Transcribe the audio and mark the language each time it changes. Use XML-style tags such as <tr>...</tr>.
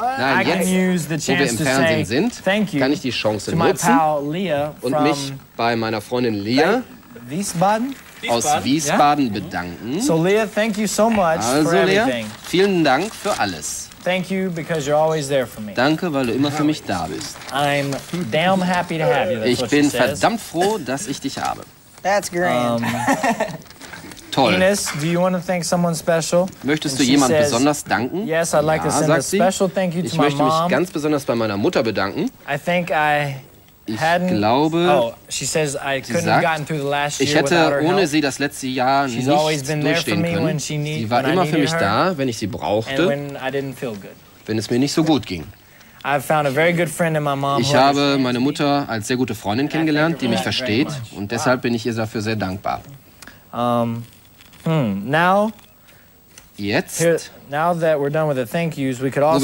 <de>nein, jetzt, wo wir im Fernsehen sind, kann ich die Chance nutzen und mich bei meiner Freundin Leah aus Wiesbaden bedanken.</de> <en>So Leah, thank you so much for everything.</en> <de>Also Leah, vielen Dank für alles.</de> <en>Thank you because you're always there for me.</en> <de>Danke, weil du immer für mich da bist.</de> <en>I'm damn happy to have you.</en> <de>Ich bin verdammt froh, dass ich dich habe.</de> <en>That's great. Ines, do you want to thank someone special?</en> <de>Möchtest du jemand besonders danken?</de> <en>Yes, I'd like to send a special thank you to my mom.</en> <de>Ich möchte mich ganz besonders bei meiner Mutter bedanken.</de> <en>I think I hadn't.</en> <de>Ich glaube.</de> <en>Oh, she says I couldn't have gotten through the last year without her.</en> <de>Ich hätte ohne sie das letzte Jahr nicht durchstehen können.</de> <en>She's always been there for me when she needed.</en> <de>Sie war immer für mich da, wenn ich sie brauchte.</de> <en>And when I didn't feel good.</en> <de>Wenn es mir nicht so gut ging.</de> <en>I've found a very good friend in my mom.</en> <de>Ich habe meine Mutter als sehr gute Freundin kennengelernt, die mich versteht, und deshalb bin ich ihr dafür sehr dankbar.</de> <en>Now,</en> <de>jetzt,</de> <en>now that we're done with the thank yous, we could also</en>